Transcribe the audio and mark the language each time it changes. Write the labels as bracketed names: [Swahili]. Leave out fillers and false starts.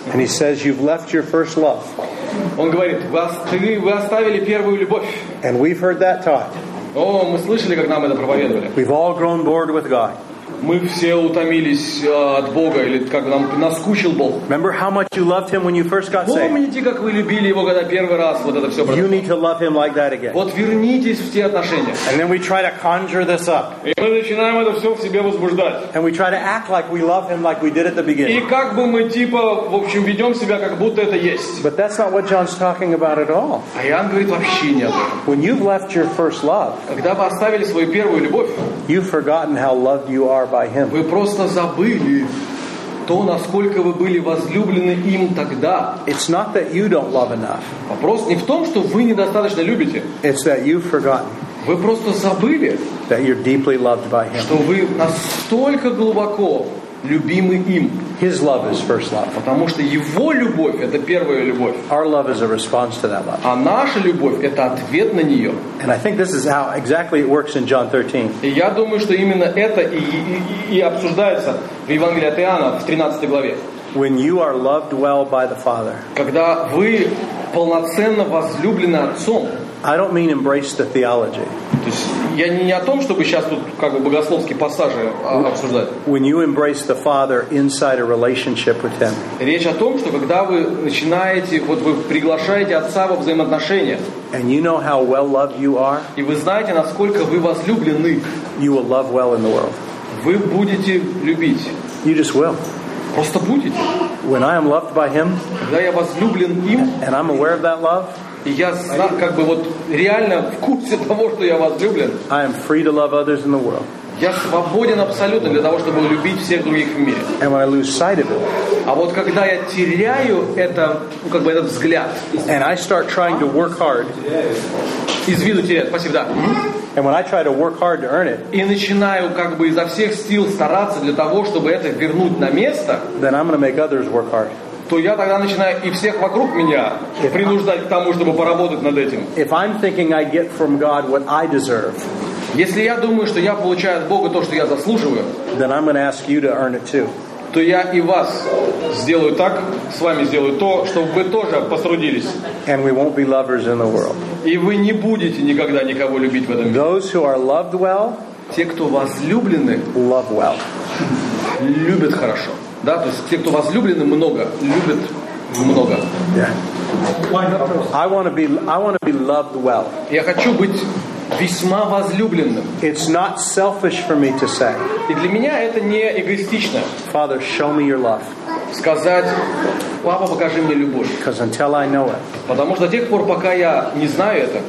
[English] And he says, you've left your first love. [Russian] Он говорит, вы оставили первую любовь. [English] And we've heard that taught. [Russian] О, мы слышали, как нам это проповедовали. [English] We've all grown bored with God. [Russian] Мы все утомились от Бога, или как нам наскучил Бог. [English] Remember how much you loved him when you first got saved. [Russian] Помните, как вы любили его, когда первый раз вот это все. [English] You need to love him like that again. [Russian] Вот вернитесь в те отношения. [English] And then we try to conjure this up. [Russian] И мы начинаем это все в себе возбуждать. [English] And we try to act like we love him like we did at the beginning. [Russian] И как бы мы типа, в общем, ведем себя, как будто это есть. [English] But that's not what John's talking about at all. [Russian] А Иоанн говорит вообще нет. [English] When you've left your first love, [Russian] когда вы оставили свою первую любовь, [English] you've forgotten how loved you are. [Russian] Вы просто забыли то, насколько вы были возлюблены им тогда. [English] It's not that you don't love enough. [Russian] Вопрос не в том, что вы недостаточно любите. [English] It's that you've forgotten. [Russian] Вы просто забыли, [English] that you're deeply loved by him. [Russian] Что вы настолько глубоко любимы им. [English] His love is first love. [Russian] Потому что его любовь это первая любовь. [English] Our love is a response to that love. [Russian] А наша любовь это ответ на нее. [English] And I think this is how exactly it works in John 13. [Russian] И я думаю, что именно это и обсуждается в Евангелии от Иоанна в 13 главе. [English] When you are loved well by the Father. [Russian] Когда вы полноценно возлюблены Отцом. [English] I don't mean embrace the theology. [Russian] То есть я не о том, чтобы сейчас тут как бы богословские пассажи обсуждать. [English] When you embrace the Father inside a relationship with him. [Russian] Речь о том, что когда вы начинаете, вот вы приглашаете Отца во взаимоотношения. [English] And you know how well loved you are. [Russian] И вы знаете, насколько вы возлюблены. [English] You will love well in the world. [Russian] Вы будете любить. [English] You just will. [Russian] Просто будете. [English] When I am loved by him. [Russian] Когда я возлюблен им. [English] And I'm aware of that love. [Russian] И я знаю, как бы вот реально в курсе того, что я возлюблен. [English] I am free to love others in the world. [Russian] Я свободен абсолютно для того, чтобы любить всех других в мире. [English] And when I lose sight of it. [Russian] А вот когда я теряю это, ну, как бы этот взгляд. [English] And I start trying to work hard. [Russian] Из виду теряю. Спасибо, да. [English] And when I try to work hard to earn it. [Russian] И начинаю как бы изо всех сил стараться для того, чтобы это вернуть на место. [English] Then I'm going to make others work hard. [Russian] То я тогда начинаю и всех вокруг меня принуждать к тому, чтобы поработать над этим. [English] If I'm thinking I get from God what I deserve, [Russian] если я думаю, что я получаю от Бога то, что я заслуживаю, [English] then I'm going to ask you to earn it too. [Russian] То я и вас сделаю так, с вами сделаю то, чтобы вы тоже посрудились. [English] And we won't be lovers in the world. [Russian] И вы не будете никогда никого любить в этом мире. [English] Those who are loved well, [Russian] те, кто возлюблены, [English] love well. [Russian] Любят хорошо. Да, то есть те, кто возлюблены много, любят много. [English] Yeah. I want to be loved well. [Russian] Я хочу быть весьма возлюбленным. [English] It's not selfish for me to say. [Russian] И для меня это не эгоистично. [English] Father, show me your love. [Russian] Сказать, папа, покажи мне любовь. [English] Because until I know it. [Russian] Потому что до тех пор, пока я не знаю это,